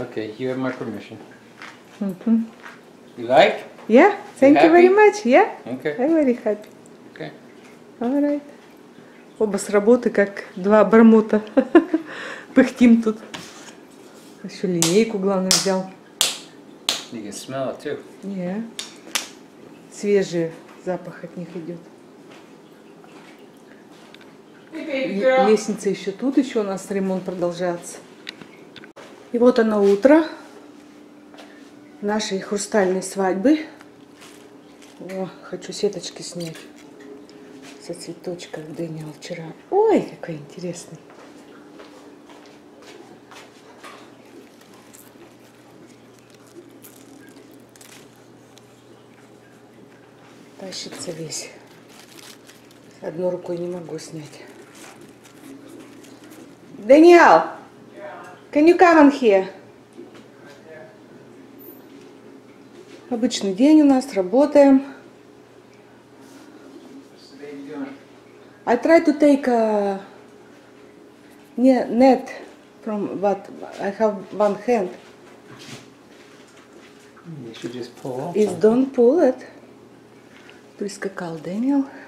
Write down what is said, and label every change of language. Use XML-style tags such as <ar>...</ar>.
<en>Okay, you have my permission. Mm-hmm. You like? Yeah, thank you very much. Yeah. Okay. I'm very happy. Okay. All right.</en> <ru>Оба с работы, как два бармута. Пыхтим тут. Еще линейку, главное, взял.</ru> <en>You can smell it too. Yeah.</en> <ru>Свежий запах от них идет.</ru> <en>Hey, baby girl.</en> <ru>Лестница еще тут, еще у нас ремонт продолжается. И вот оно утро нашей хрустальной свадьбы. О, хочу сеточки снять со цветочка Дэниел вчера. Ой, какой интересный. Тащится весь. Одной рукой не могу снять.</ru> <en>Дэниел! Can you come on here?</en> <ru>Обычный день у нас, работаем.</ru> <en>I try to take a net from what I have one hand. You should just pull off. It's don't pull it.</en> <ru>Прискакал Дэниел.</ru>